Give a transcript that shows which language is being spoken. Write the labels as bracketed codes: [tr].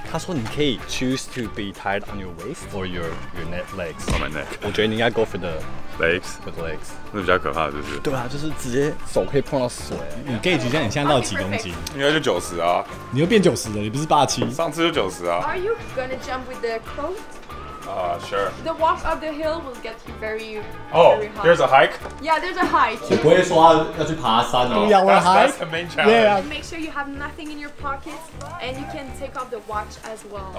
[zh] 他说你可以 [en] choose to be tied on your waist or your neck legs. On my neck. [zh] 我觉得你应该 [en] go for the legs. For the legs. [zh] 那比较可怕，是不是？对啊，就是直接手可以碰到水。你 gauge 一下你现在到几公斤？应该就90啊。你又变90了，你不是87？上次就90啊。 [en] Are you gonna jump with the coat? Sure. The walk up the hill will get you very, very high. Oh, there's a hike? Yeah, there's a hike. [zh] 你不会说要去爬山哦。 [en] Yeah, we're hike. That's the main challenge. Yeah. Make sure you have nothing in your pocket, and you can take off the watch as well.